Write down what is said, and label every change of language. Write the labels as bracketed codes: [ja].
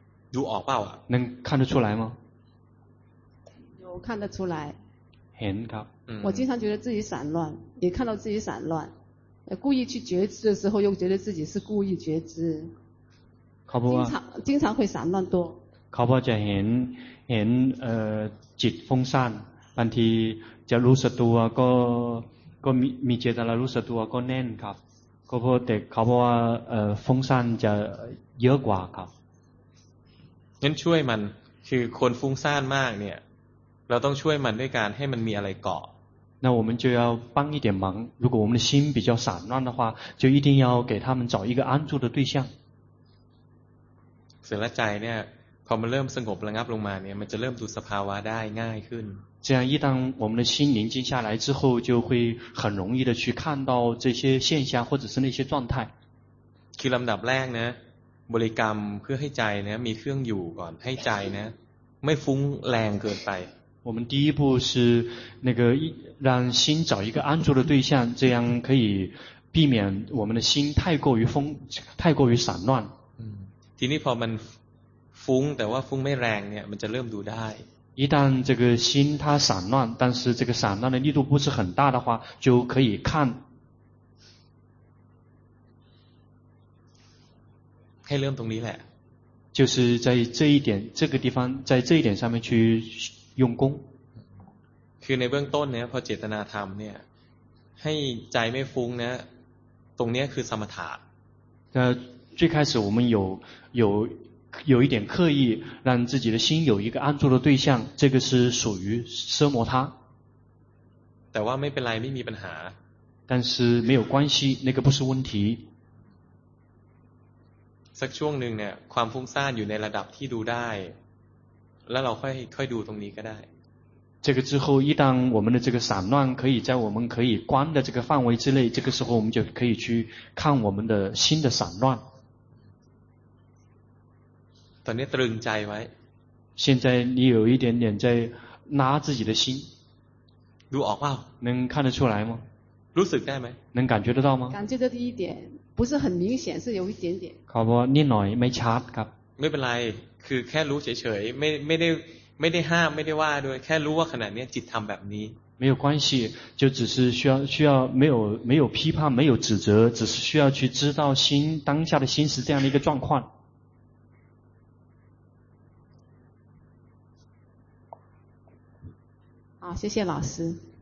[th] 有ออกป่าว [zh] 能看得出来吗有看得出来 [th] เห็นครับ [zh] 我经常觉得自己散乱也看到自己散乱故意去觉知的时候又觉得自己是故意觉知 [th] เขาบอกว่า [zh] 经常会散乱多 [th] เขาบอกจะเห็นจิตฟุ้งซ่านบางทีจะรู้สึกตัวก็มีเจตนารู้สึกตัวก็แน่นครับก็เพราะแต่เขาบอกว่าฟุ้งซ่านจะเยอะกว่าครับ งั้นช่วยมันคือคนฟุ้งซ่านมากเนี่ยเราต้องช่วยมันด้วยการให้มันมีอะไรเกาะ [zh] 那我们就要帮一点忙如果我们的心比较散乱的话就一定要给他们找一个安住的对象 [th] เสร็จแล้วใจเนี่ยพอมันเริ่มสงบระงับลงมาเนี่ยมันจะเริ่มดูสภาวะได้ง่ายขึ้น [zh] 这样一旦我们的心宁静下来之后就会很容易的去看到这些现象或者是那些状态 [th] คือลำดับแรกนะบริกรรมเพื่อให้ใจนะมีเครื่องอยู่ก่อนให้ใจนะไม่ฟุ้งแรงเกินไป [zh] 我们第一步是那个让心找一个安住的对象这样可以避免我们的心太过于散乱 [th] ทีนี้พอมันฟุ้งแต่ว่าฟุ้งไม่แรงเนี่ยมันจะเริ่มดูได้ [zh] 一旦这个心它散乱但是这个散乱的力度不是很大的话就可以看 [th] ให้เริ่มตรงนี้แหละ [zh] 就是在这一点这个地方在这一点上面去用功 [th] คือในเบื้องต้นเนี่ยพอเจตนาธรรมเนี่ยให้ใจไม่ฟุ้งเนี่ยตรงนี้คือสมถะ [zh] 最开始我们有一点刻意让自己的心有一个安住的对象这个是属于奢摩他 [th] แต่ว่าไม่เป็นไรไม่มีปัญหา [zh] 但是没有关系那个不是问题 [th] สักช่วงหนึ่งเนี่ยความฟุ้งซ่านอยู่ในระดับที่ดูได้แล้วเราค่อยดูตรงนี้ก็ได้ [zh] 这个之后一旦我们的这个散乱可以在我们可以观的这个范围之内这个时候我们就可以去看我们的心的散乱 [th] ตอนนี้ตรึงใจไว้ [zh] 现在你有一点点在拉自己的心 [th] ดูออกเปล่า [zh] 能看得出来吗 [th] รู้สึกได้ไ [zh] หม能感觉得到吗感觉到第一点不是很明显是有一点点 [th] ครับว่านิดหน่อยไม่ชัดครับ ไม่เป็นไรคือแค่รู้เฉยๆไม่ได้ห้ามไม่ได้ว่าด้วยแค่รู้ว่าขณะนี้จิตทำแบบนี้ [zh] 没有关系就只是需要没有批判没有指责只是需要去知道心当下的心是这样的一个状况好谢谢老师